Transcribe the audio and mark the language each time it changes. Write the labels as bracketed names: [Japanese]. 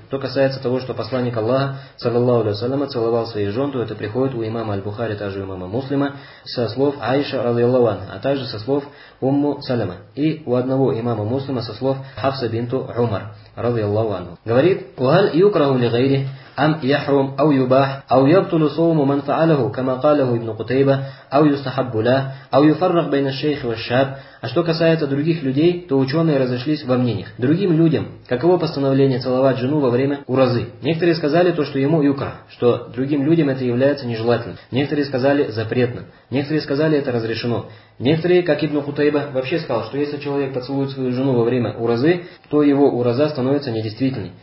[Russian] Что касается того, что посланник Аллаха, саллаллаху алейхи ва саллям, целовал своих жен, то это приходит у имама Аль-Бухари, также у имама Муслима, со слов Аиша, радиаллаху анха, а также со слов Умму Саляма. И у одного имама Муслима со слов Хафса бинту Умар, радиаллаху анху. Говорит, [Arabic] «Ухаль юкраху ли гайри?» أم يحرم أو يباح أو يبطل صوم من فعله كما قاله ابن قتيبة أو يستحب له أو يفرق بين الشيخ والشاب. [Russian] А что касается других людей, то ученые разошлись во мнениях. Другим людям, каково постановление целовать жену во время уразы? Некоторые сказали то, что ему юкра, что другим людям это является нежелательным. Некоторые сказали запретно. Некоторые сказали это разрешено. Некоторые, как Ибн Хутейба, вообще сказал, что если человек поцелует свою жену во время уразы, то его ураза становится недействительной.